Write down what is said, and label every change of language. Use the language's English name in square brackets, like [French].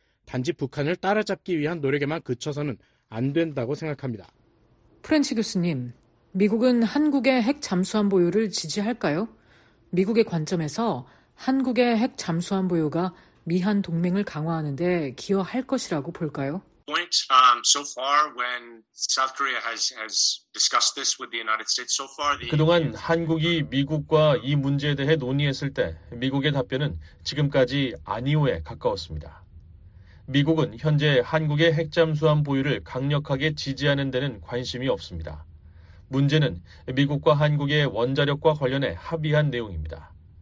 [Korean] 단지 북한을 따라잡기 위한 노력에만 그쳐서는 안 된다고 생각합니다. 프렌치 교수님, 미국은 한국의 핵잠수함 보유를 지지할까요? 미국의 관점에서 한국의 핵잠수함 보유가 미한 동맹을 강화하는 데 기여할 것이라고 볼까요? [English] Point so far when South Korea has discussed this with the United States so far. [Korean] 그동안 한국이 미국과 이 문제에 대해 논의했을 때 미국의 답변은 지금까지 아니오에 가까웠습니다. 미국은 현재 한국의 핵잠수함 보유를 강력하게 지지하는 데는 관심이 없습니다. 문제는 미국과 한국의 원자력과 관련해 합의한 내용입니다.